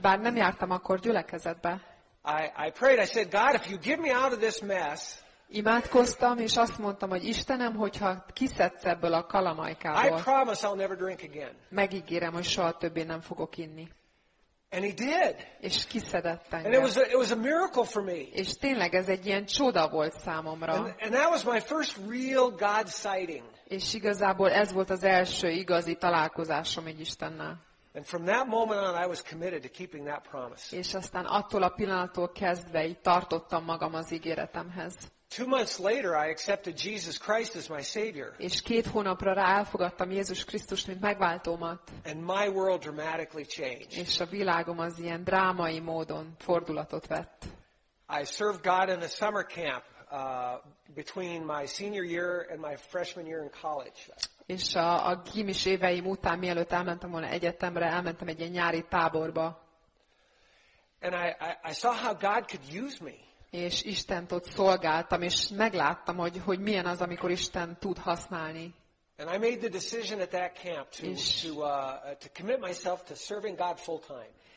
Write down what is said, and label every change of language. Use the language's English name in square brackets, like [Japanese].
[Hungarian] bár nem jártam akkor gyülekezetbe. [English] I prayed. I said, God, if you get me out of this mess. [Hungarian] Imádkoztam és azt mondtam, hogy Istenem, hogyha kiszedsz ebből a kalamajkából. [English] I promise I'll never drink again. [Hungarian] Megígérem, hogy soha többé nem fogok inni. [English] And he did. [Hungarian] És kiszedett engem. [English] And it was a miracle for me. [Hungarian] És tényleg ez egy ilyen csoda volt számomra. [English] And that was my first real God sighting. [Hungarian] És igazából ez volt az első igazi találkozásom egy Istennel. [English] And from that moment on, I was committed to keeping that promise. [Hungarian] És aztán attól a pillanattól kezdve így tartottam magam az ígéretemhez. [English] 2 months later, I accepted Jesus Christ as my Savior. [Hungarian] És 2 hónapra rá elfogadtam Jézus Krisztust, mint megváltómat. [English] And my world dramatically changed. [Hungarian] És a világom az ilyen drámai módon fordulatot vett. [English] I served God in a summer camp between my senior year and my freshman year in college. [Hungarian] És a gimis éveim után, mielőtt elmentem volna egyetemre, elmentem egy ilyen nyári táborba. [English] And I saw how God could use me. [Hungarian] És Istent ott szolgáltam, és megláttam, hogy milyen az, amikor Isten tud használni. [English] And I made the decision at that camp to commit myself to serving God full time.